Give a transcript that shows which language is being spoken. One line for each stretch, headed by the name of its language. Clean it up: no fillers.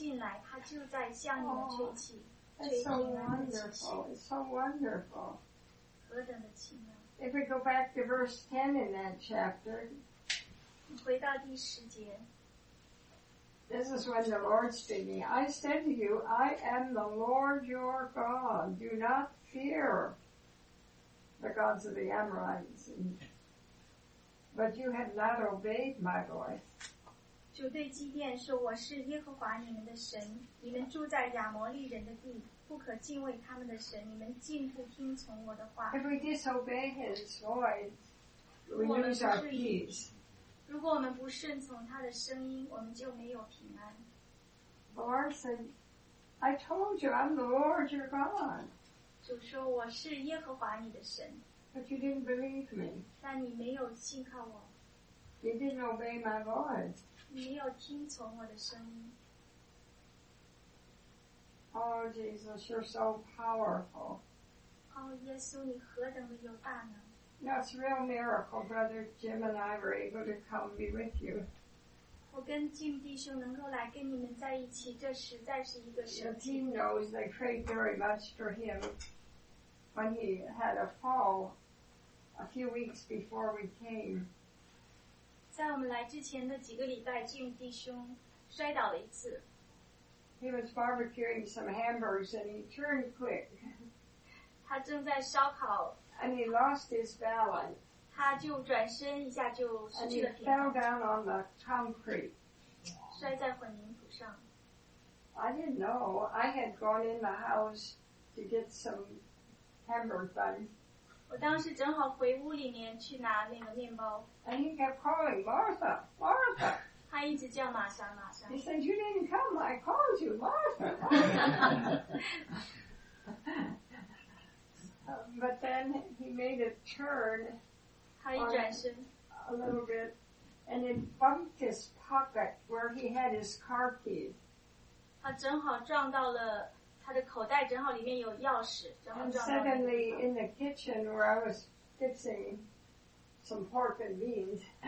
Chinese: 每一个小组，当你们关上门聚集在一起的时候，耶稣进来，他就在向你们吹气。
English: It's so wonderful. It's so wonderful.
Chinese: 何等的奇妙！
English: If we go back to verse 10 in that chapter,
Chinese: 回到第十节。
English: This is when the Lord speaking. I said to you, I am the Lord your God. Do not fear the gods of the Amorites. But you have not obeyed my voice.
Chinese: 主对基甸说, 我是耶和华你们的神, 你们住在亚摩利人的地, 不可敬畏他们的神, 你们竟不听从我的话。
English: If we disobey his voice, we lose our peace.
Chinese: 如果我们不顺从他的声音，我们就没有平安。
English: The Lord said, I told you, I'm the Lord your God.
Chinese: 主说，我是耶和华你的神。
English: But you didn't believe me.
Chinese: 但你没有信靠我。
English: You didn't obey my voice.
Chinese: 你没有听从我的声音。
English: Oh, Jesus, you're so powerful.
Chinese: 哦，耶稣，你何等的有大能。
English: That's a real miracle, Brother Jim and I were able to come be with you.
Chinese: 我跟Jim弟兄能够来跟你们在一起, 这实在是一个神奇。
English: The team knows they prayed very much for him when he had a fall a few weeks before we came.
Chinese: 在我们来之前的几个礼拜, Jim弟兄摔倒了一次。
English: He was barbecuing some hamburgers and he turned quick.
Chinese: 他正在烧烤。
English: And he lost his balance.
Chinese: 他就转身一下就失去了平衡。
English: And he fell down on the concrete.
Chinese: 摔在混凝土上。
English: I didn't know. I had gone in the house to get some hamburger buns.
Chinese: 我当时正好回屋里面去拿那个面包。
English: And he kept calling, Martha, Martha.
Chinese: 他一直叫玛莎玛莎。
English: He said, you didn't come. I called you, Martha. But then he made a turn a little bit and it bumped his pocket where he had his car keys.
Chinese: 他正好撞到了他的口袋，正好里面有钥匙。
English: And suddenly in the kitchen where I was fixing some pork and beans,